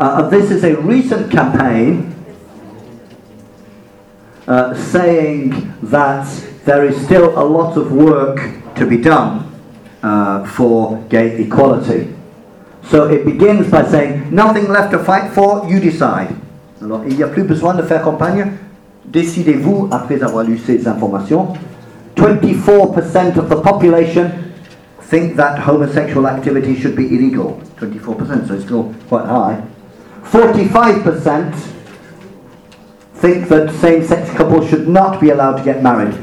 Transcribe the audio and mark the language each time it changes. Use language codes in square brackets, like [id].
[en] This is a recent campaign saying that there is still a lot of work to be done for gay equality. So it begins by saying, nothing left to fight for, you decide. [fr] Alors, il n'y a plus besoin de faire campagne. Décidez-vous après avoir lu ces informations. [en] 24% of the population think that homosexual activity should be illegal. 24%, so it's still quite high. 45% think that same-sex couples should not be allowed to get married.